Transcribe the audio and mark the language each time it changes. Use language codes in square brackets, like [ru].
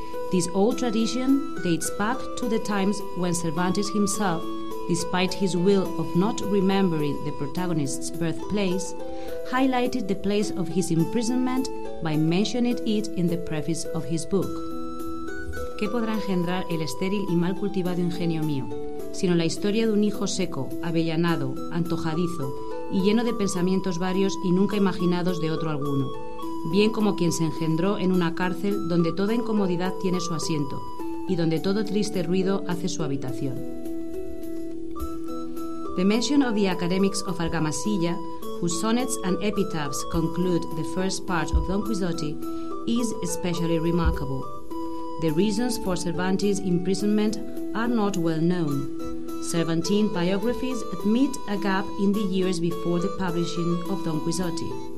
[en] This old tradition dates back to the times when Cervantes himself, despite his will of not remembering the protagonist's birthplace, highlighted the place of his imprisonment by mentioning it in the preface of his book. [es] ¿Qué podrá engendrar el estéril y mal cultivado ingenio mío, sino la historia de un hijo seco, avellanado, antojadizo y lleno de pensamientos varios y nunca imaginados de otro alguno? Bien como quien se engendró en una cárcel donde toda incomodidad tiene su asiento y donde todo triste ruido hace su habitación. [en] The mention of the academics of Argamasilla, whose sonnets and epitaphs conclude the first part of Don Quixote, is especially remarkable. The reasons for Cervantes' imprisonment are not well known. Cervantine biographies admit a gap in the years before the publishing of Don Quixote.